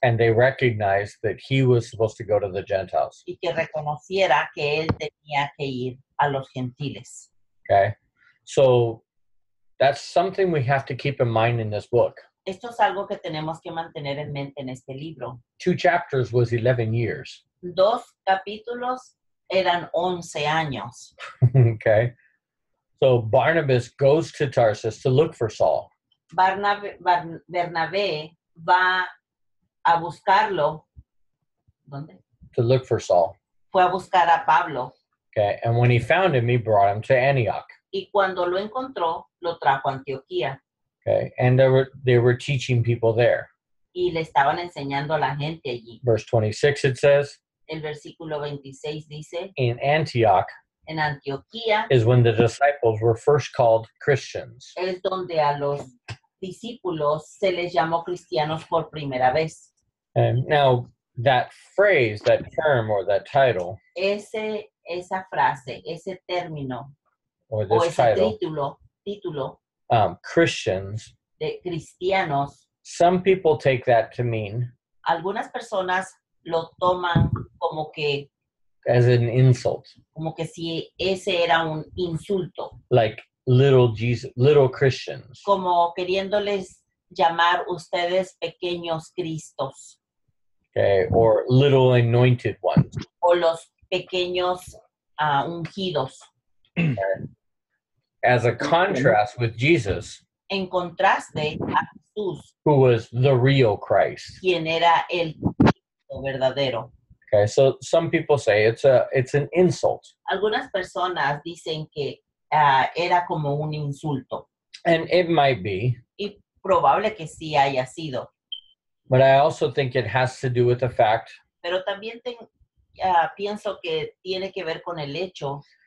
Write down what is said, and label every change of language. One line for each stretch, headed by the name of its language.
English: And they recognized that he was supposed to go to the Gentiles.
Spanish: Y que reconociera que él tenía que ir a los gentiles.
English: Okay. So that's something we have to keep in mind in this book.
Spanish: Esto es algo que tenemos que mantener en mente en este libro.
English: Two chapters was 11 years.
Spanish: Dos capítulos eran 11 años.
English: Okay. So Barnabas goes to Tarsus to look for Saul.
Spanish: Bernabé va a buscarlo. ¿Dónde?
English: To look for Saul.
Spanish: Fue a buscar a Pablo.
English: Okay, and when he found him, he brought him to Antioch.
Spanish: Y cuando lo encontró, lo trajo a Antioquía.
English: Okay, and they were teaching people there.
Spanish: Y le estaban enseñando a la gente allí.
English: Verse 26, it says.
Spanish: El versículo 26 dice.
English: In Antioch.
Spanish: En Antioquía,
English: is when the disciples were first called Christians.
Spanish: Es donde a los discípulos se les llamó cristianos por primera vez.
English: And now, that phrase, that term, or that title,
Spanish: esa frase, ese término,
English: or this
Spanish: o ese
English: title,
Spanish: título,
English: Christians,
Spanish: de cristianos,
English: Some people take that to mean.
Spanish: Algunas personas lo toman como que.
English: As an insult.
Spanish: Como que si ese era un insulto.
English: Like little Jesus, little Christians.
Spanish: Como queriéndoles llamar ustedes pequeños Cristos.
English: Okay, or little anointed ones.
Spanish: O los pequeños ungidos.
English: As a contrast with Jesus.
Spanish: En contraste a Jesús.
English: Who was the real Christ.
Spanish: Quien era el Cristo verdadero.
English: Okay, so some people say it's an insult.
Spanish: Algunas personas dicen que era como un insulto.
English: And it might be.
Spanish: Y probable que sí haya sido.
English: But I also think it has to do with the fact.
Spanish: Pero también pienso que tiene que ver con el hecho.